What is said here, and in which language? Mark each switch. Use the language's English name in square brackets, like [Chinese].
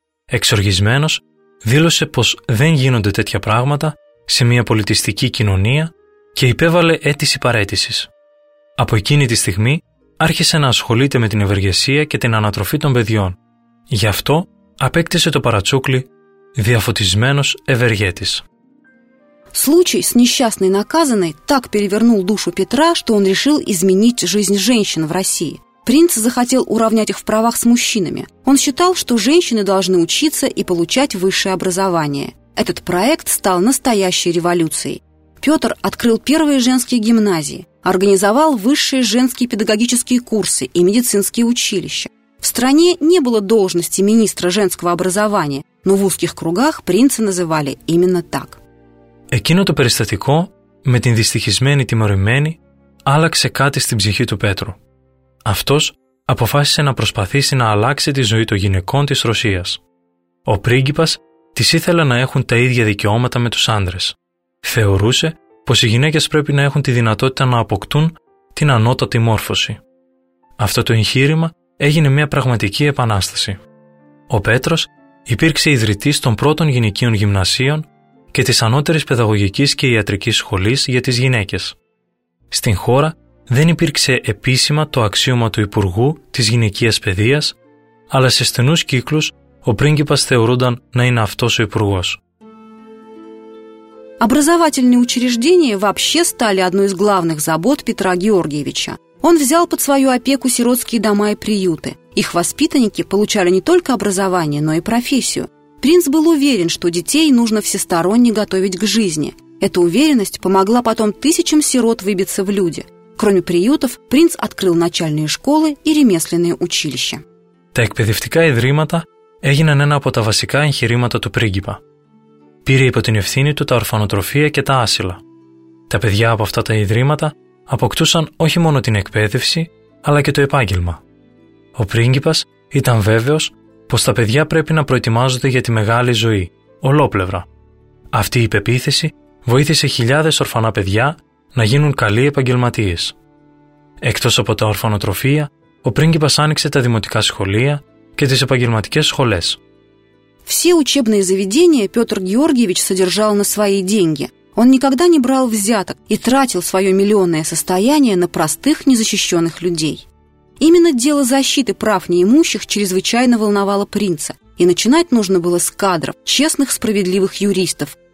[Greek] Εξοργισμένος, δήλωσε πως δεν γίνονται τέτοια πράγματα σε μια πολιτιστική κοινωνία και υπέβαλε αίτηση παραίτησης. Από εκείνη τη στιγμή άρχισε να ασχολείται με την ευεργεσία και την ανατροφή των παιδιών. Γι' αυτό απέκτησε το παρατσούκλι «Διαφωτισμένος ευεργέτης». [Russian] Случай с несчастной наказанной так перевернул душу Петра, что он решил изменить жизнь женщин в России. Принц захотел уравнять их в правах с мужчинами. Он считал, что женщины должны учиться и получать высшее образование. Этот проект стал настоящей революцией. Петр открыл первые женские гимназии, организовал высшие женские педагогические курсы и медицинские училища. В стране не было должности министра женского образования, но в узких кругах принца называли именно так. [Greek] Εκείνο το περιστατικό, με την δυστυχισμένη τιμωρημένη, άλλαξε κάτι στην ψυχή του Πέτρου. Αυτός αποφάσισε να προσπαθήσει να αλλάξει τη ζωή των γυναικών της Ρωσίας. Ο πρίγκιπας τις ήθελε να έχουν τα ίδια δικαιώματα με τους άντρες. Θεωρούσε πως οι γυναίκες πρέπει να έχουν τη δυνατότητα να αποκτούν την ανώτατη μόρφωση. Αυτό το εγχείρημα έγινε μια πραγματική επανάσταση. Ο Πέτρος υπήρξε ιδρυτής των πρώτων γυναικείων γυμνασίων και της ανώτερης παιδαγωγικής και ιατρικής σχολής για τις γυναίκες. Στην χώρα δεν υπήρξε επίσημα το αξίωμα του Υπουργού της Γυναικείας Παιδείας, αλλά σε στενούς κύκλους ο πρίγκιπας θεωρούνταν να είναι αυτός ο υπουργός. [Russian] Образовательные учреждения вообще стали одной из главных забот Петра Георгиевича. Он взял под свою опеку сиротские дома и приюты. Их воспитанники получали не только образование, но и профессию. Принц был уверен, что детей нужно всесторонне готовить к жизни. Эта уверенность помогла потом тысячам сирот выбиться в люди. Кроме приютов, принц открыл начальные школы и ремесленные училища. [Greek] Τα εκπαιδευτικά ιδρύματα έγιναν ένα από τα βασικά εγχειρήματα του πρίγκιπα. Πήρε υπό την ευθύνη του τα ορφανοτροφεία και τα άσυλα. Τα παιδιά από αυτά τα ιδρύματα αποκτούσαν όχι μόνο την εκπαίδευση, αλλά και το επάγγελμα. Ο πρίγκιπας ήταν βέβαιος πως τα παιδιά πρέπει να προετοιμάζονται για τη μεγάλη ζωή, ολόπλευρα. Αυτή η πεποίθηση βοήθησε χιλιάδες ορφανά παιδιά να γίνουν καλοί επαγγελματίες. Εκτός από τα ορφανοτροφεία, ο πρίγκιπας άνοιξε τα δημοτικά σχολεία και τις επαγγελματικές σχολές. [Russian] Все учебные заведения Петр Георгиевич содержал на свои деньги. Он никогда не брал взяток и тратил свое миллионное состояние на простых незащищенных людей. Именно дело защиты прав неимущих чрезвычайно волновало принца, и начинать нужно было с кадров, честных, справедливых юристов.